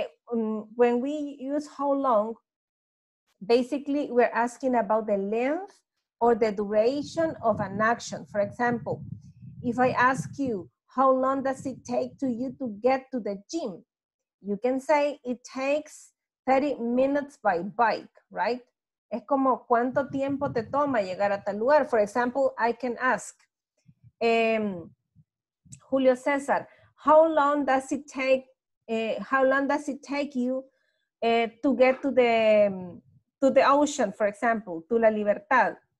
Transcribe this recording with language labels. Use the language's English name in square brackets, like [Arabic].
[English] When we use how long, basically, we're asking about the length or the duration of an action. For example, if I ask you, how long does it take to you to get to the gym? You can say it takes 30 minutes by bike, right? [Spanish] Es como, ¿cuánto tiempo te toma llegar a tal lugar? [English] For example, I can ask, Julio César, how long does it take you to get to the ocean, for example, to La Libertad?